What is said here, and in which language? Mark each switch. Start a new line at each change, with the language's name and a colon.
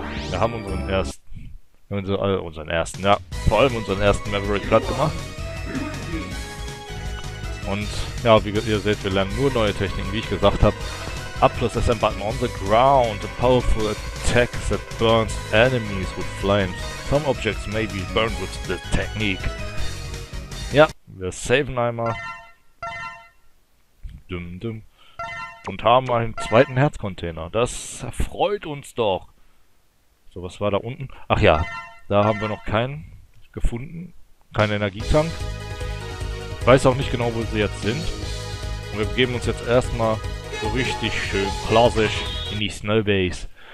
German: Wir haben unseren ersten. Ja, vor allem unseren ersten Maverick platt gemacht. Und ja, wie ihr seht, wir lernen nur neue Techniken, wie ich gesagt habe.
English: Applus SM Button on the ground. A powerful attack that burns enemies with flames. Some objects may be burned with the technique.
German: Ja, wir saven einmal. Und haben einen zweiten Herzcontainer. Das erfreut uns doch. So, was war da unten? Ach ja, Da haben wir noch keinen gefunden. Keinen Energietank. Ich weiß auch nicht genau, wo sie jetzt sind. Und wir begeben uns jetzt erstmal so richtig schön klassisch in die Snowbase.